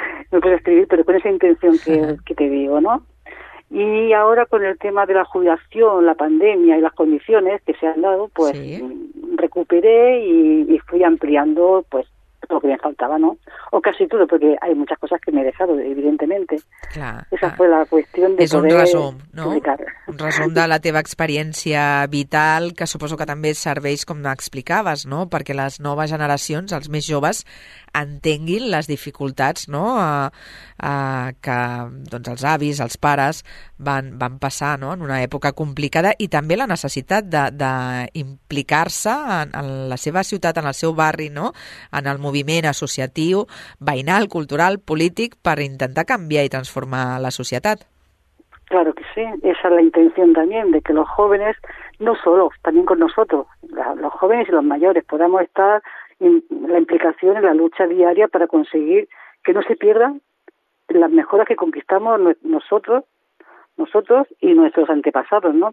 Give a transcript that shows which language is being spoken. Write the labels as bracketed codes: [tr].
[es] Me puse a escribir, pero con esa intención que te digo, ¿no? Y ahora con el tema de la jubilación, la pandemia y las condiciones que se han dado, pues recuperé y fui ampliando pues lo que me faltaba, ¿no? O casi todo, porque hay muchas cosas que me he dejado, evidentemente. Esa fue la cuestión de [ca] és poder... És un resum, no? Un resum de la teva experiència vital, que suposo que també serveix, com explicaves, no?, perquè les noves generacions, els més joves, entenguin les dificultats, no?, que els avis, els pares, van passar, no?, en una època complicada, i també la necessitat d'implicar-se en la seva ciutat, en el seu barri, no?, en el moviment associatiu, veïnal, cultural, polític, per intentar canviar i transformar la societat. [es] Claro que sí, esa es la intención también, de que los jóvenes, no solo, también con nosotros, los jóvenes y los mayores, podamos estar en la implicación en la lucha diaria para conseguir que no se pierdan las mejoras que conquistamos nosotros y nuestros antepasados, ¿no?